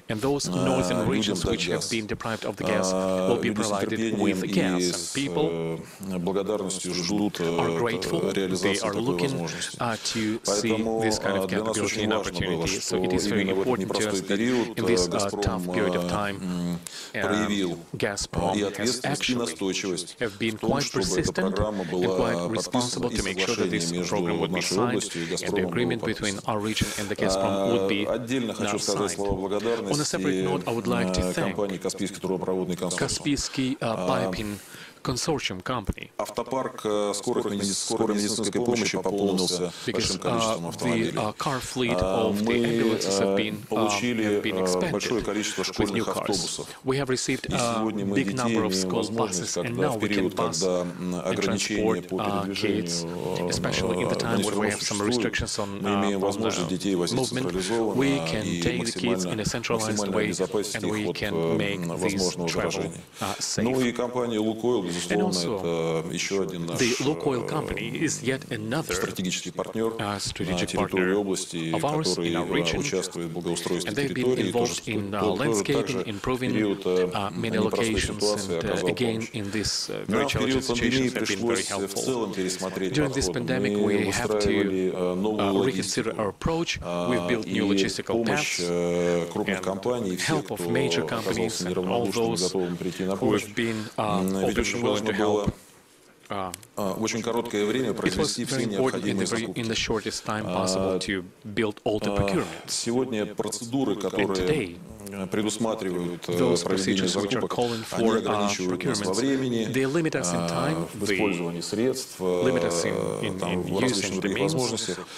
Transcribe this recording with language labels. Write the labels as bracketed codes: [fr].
[en] And those northern regions which have been deprived of the gas will be provided with gas. People are grateful, they are looking to see this kind of capability and opportunity. So it is very important to us that in this tough period of time, [ru] проявил и ответственность, и настойчивость в том, чтобы эта программа была подписана и соглашение между нашей областью и «Газпромом» было подписано. Отдельно хочу сказать слова благодарности компании «Каспийский трубопроводный консорциум». [en] Consortium company. [ru] Автопарк скорой медицинской помощи пополнился большим количеством автомобилей. Мы получили большое количество школьных автобусов. И сегодня мы детей имеем возможность, когда в период, когда ограничения по передвижению не существуют, мы имеем возможность детей возить централизованно и максимально обезопасить их от возможного заражения. Ну и компания «Лукойл», безусловно, [en] The Lukoil company is yet another strategic partner of ours in our region, and they've been involved in landscaping, improving many locations, and again in this very challenging situation have been very helpful. During this pandemic, we have to reconsider our approach. We've built new logistical paths, and help of major companies and all those who have been open willing to help. [ru] В очень короткое время произвести все необходимые закупки. Сегодня процедуры, которые предусматривают проведение закупок, они ограничивают нас во времени, в использовании средств, в различных других возможностях.